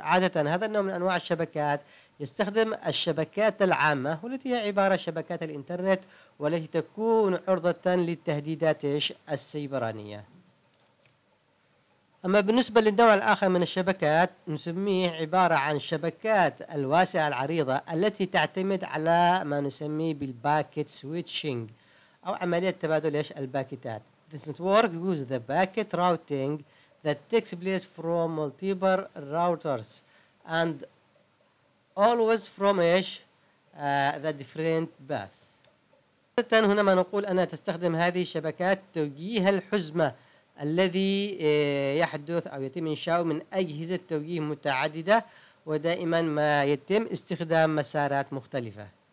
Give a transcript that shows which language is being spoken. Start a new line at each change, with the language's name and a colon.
Arabic: عادة هذا النوع من أنواع الشبكات يستخدم الشبكات العامة، والتي هي عبارة شبكات الإنترنت، والتي تكون عرضة للتهديدات السيبرانية. أما بالنسبة للنوع الآخر من الشبكات نسميه عبارة عن شبكات الواسعة العريضة التي تعتمد على ما نسميه بالباكت سويتشينج أو عملية تبادل الباكتات.
English: This network uses the packet routing that takes place from multiple routers and always from the different path.
Arabic: هنا ما نقول أنها تستخدم هذه الشبكات توجيه الحزمة الذي يحدث أو يتم إنشاؤه من أجهزة توجيه متعددة، ودائما ما يتم استخدام مسارات مختلفة.